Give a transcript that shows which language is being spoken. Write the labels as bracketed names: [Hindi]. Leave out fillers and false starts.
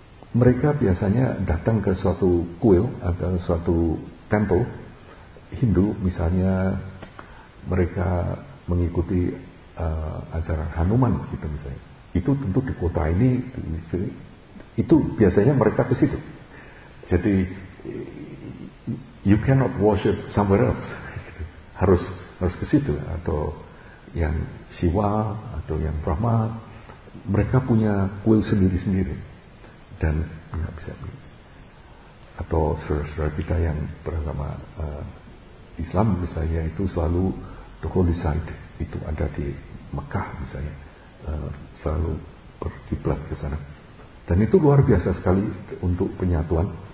[Indonesian] Mereka biasanya datang ke suatu kuil atau suatu temple Hindu, misalnya mereka mengikuti acara Hanuman gitu misalnya. Itu tentu di kota ini, itu biasanya mereka ke situ. Jadi [English] you cannot worship somewhere else. [Indonesian] harus ke situ, atau yang Shiva atau yang Brahma, mereka punya kuil sendiri-sendiri. Dan nggak bisa, atau saudara-saudara kita yang beragama Islam misalnya, itu selalu [English] the holy site [Indonesian] itu ada di Mekah misalnya, selalu berkiblat ke sana, dan itu luar biasa sekali untuk penyatuan.